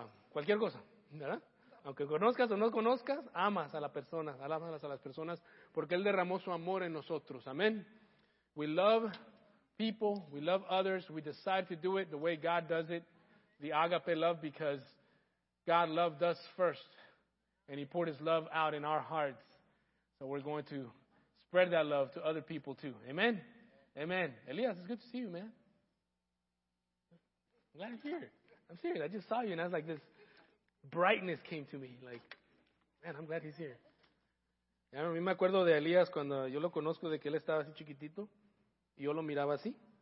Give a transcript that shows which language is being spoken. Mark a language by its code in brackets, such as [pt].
[es] Cualquier cosa, ¿verdad? Aunque conozcas o no conozcas, amas a la persona, amas a las personas, porque Él derramó su amor en nosotros, amén. [en] We love people, we love others, we decide to do it the way God does it, the agape love, because God loved us first, and He poured His love out in our hearts, so we're going to spread that love to other people too, amen, amen. Elias, it's good to see you, man. Glad I'm here. I'm serious. I just saw you, and I was like, this brightness came to me. Like, man, I'm glad he's here. [es] Ya, a mí me acuerdo de Elías cuando yo lo conozco, de que él estaba así chiquitito y yo lo miraba así.